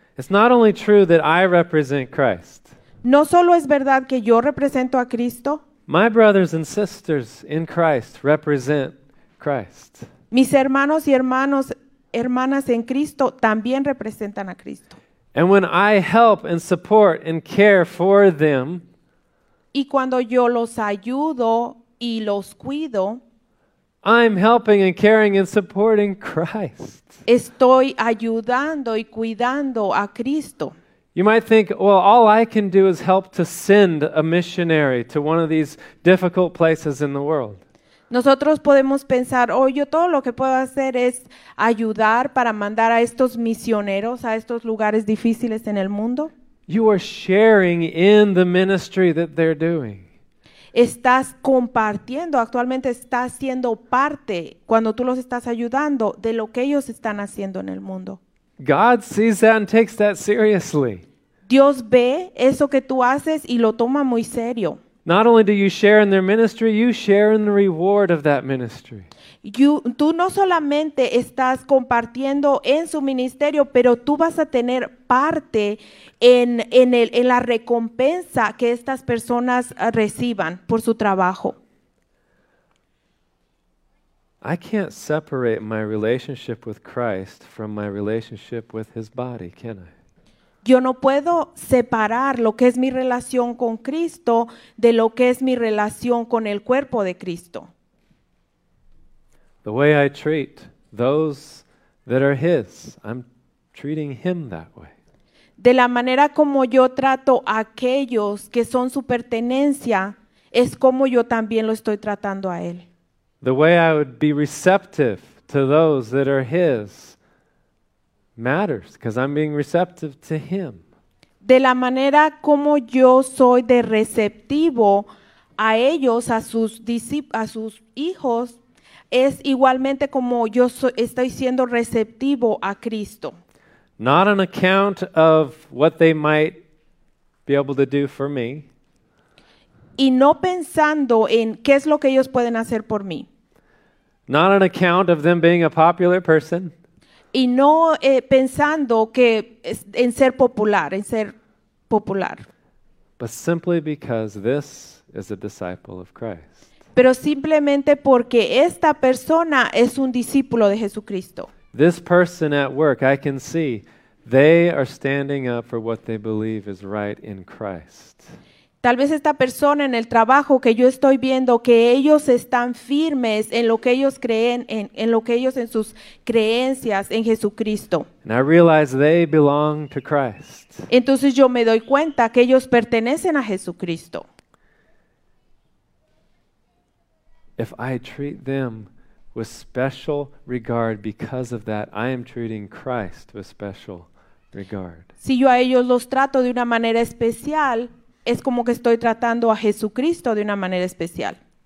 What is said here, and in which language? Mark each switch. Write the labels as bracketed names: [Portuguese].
[English] It's not only true that I represent Christ. [Spanish] No solo es verdad que yo represento a Cristo. [English] My brothers and sisters in Christ represent Christ. [Spanish] Mis hermanos y hermanas en Cristo también representan a Cristo. [English] And when I help and support and care for them, [Spanish] y cuando yo los ayudo y los cuido, [English] I'm helping and caring and supporting Christ. [Spanish] Estoy ayudando y cuidando a Cristo. [English] You might think, well, all I can do is help to send a missionary to one of these difficult places in the world. [Spanish] Nosotros podemos pensar, oh, yo todo lo que puedo hacer es ayudar para mandar a estos misioneros a estos lugares difíciles en el mundo. [English] You are sharing in the ministry that they're doing. [Spanish] Estás compartiendo, actualmente estás siendo parte, cuando tú los estás ayudando, de lo que ellos están haciendo en el mundo. [English] God sees that and takes that seriously. [Spanish] Dios ve eso que tú haces y lo toma muy serio. [English] Not only do you share in their ministry, you share in the reward of that ministry. [Spanish] Tú no solamente estás compartiendo en su ministerio, pero tú vas a tener parte en la recompensa que estas personas reciban por su trabajo. [English] I can't separate my relationship with Christ from my relationship with his body, can I? [Spanish] Yo no puedo separar lo que es mi relación con Cristo de lo que es mi relación con el cuerpo de Cristo. [English] The way I treat those that are his, I'm treating him that way. [Spanish] De la manera como yo trato a aquellos que son su pertenencia, es como yo también lo estoy tratando a él. [English] The way I would be receptive to those that are his matters, because I'm being receptive to him. [Spanish] De la manera como yo soy de receptivo a ellos, a sus hijos, es igualmente como yo estoy siendo receptivo a Cristo. [English] Not on account of what they might be able to do for me. [Spanish] Y no pensando en qué es lo que ellos pueden hacer por mí. [English] Not on account of them being a popular person. [Spanish] Y no pensando que en ser popular, en ser popular. [English] But simply because this is a disciple of Christ. [Spanish] Pero simplemente porque esta persona es un discípulo de Jesucristo. [English] This person at work, I can see, they are standing up for what they believe is right in Christ. [Spanish] Tal vez esta persona en el trabajo que yo estoy viendo que ellos están firmes en lo que ellos creen, en lo que ellos en sus creencias en Jesucristo. [English] And I realize they belong to Christ. [Spanish] Entonces yo me doy cuenta que ellos pertenecen a Jesucristo. [English] If I treat them with special regard because of that, I am treating Christ with special regard. [Spanish] Si yo a ellos los trato de una manera especial, es como que estoy tratando a Jesucristo de una manera especial.